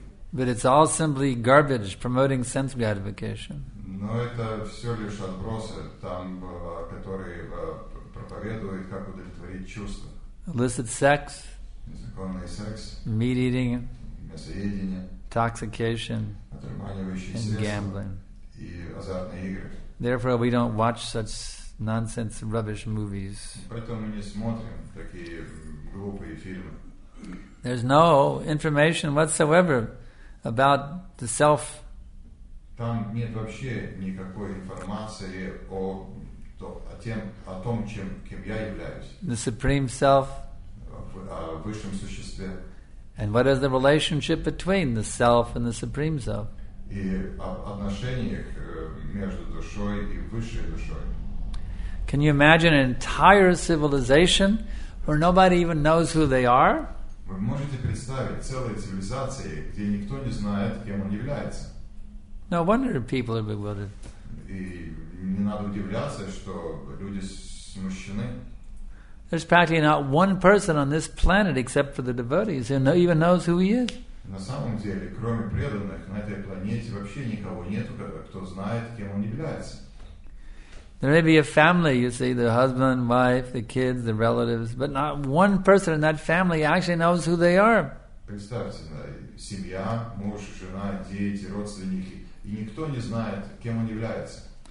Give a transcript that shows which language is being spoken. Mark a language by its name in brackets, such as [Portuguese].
[English] But it's all simply garbage promoting sense gratification. [Russian] Но это все лишь отбросы, там, которые проповедуют, как удовлетворить чувства. [English] Illicit sex. [Russian] незаконный секс, [English] meat eating, [Russian] мясоедение, [English] intoxication, and gambling. [Russian] И азартные игры. [English] Therefore, we don't watch such nonsense, rubbish movies. [Russian] Поэтому мы не смотрим такие глупые фильмы. [English] There's no information whatsoever about the self. [Russian] Там нет вообще никакой информации о тем, о том, чем, кем я являюсь. [English] The Supreme Self. [Russian] О высшем существе. [English] And what is the relationship between the self and the Supreme Self? [Russian] И об отношениях между душой и высшей душой. [English] Can you imagine an entire civilization where nobody even knows who they are? [Russian] Вы можете представить целую цивилизацию, где никто не знает, кем он является? [English] No wonder people are bewildered. [Russian] И не надо удивляться, что люди смущены. [English] There's practically not one person on this planet except for the devotees who even knows who he is. [Russian] На самом деле, кроме преданных, на этой планете вообще никого нету, кто знает, кем он является. [English] There may be a family, you see, the husband, wife, the kids, the relatives, but not one person in that family actually knows who they are. [Russian] Представьте, семья, муж, жена, дети, родственники, и никто не знает, кем он является.